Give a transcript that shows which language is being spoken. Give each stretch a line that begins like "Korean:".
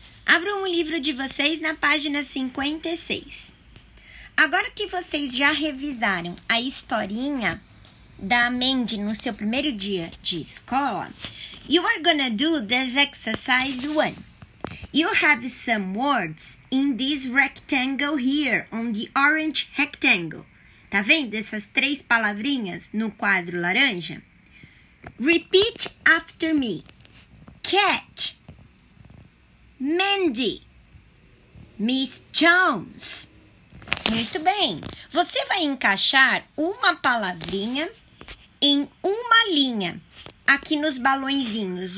Portuguese: Abram o livro de vocês na página 56. Agora que vocês já revisaram a historinha da Mandy no seu primeiro dia de escola,
English: you are gonna do this exercise one. You have some words in this rectangle here, on the orange rectangle.
Portuguese: Tá vendo essas três palavrinhas no quadro laranja?
English: Repeat after me. Cat. Mandy.
Portuguese: Miss Jones. Muito bem. Você vai encaixar uma palavrinha em uma linha aqui nos balõezinhos.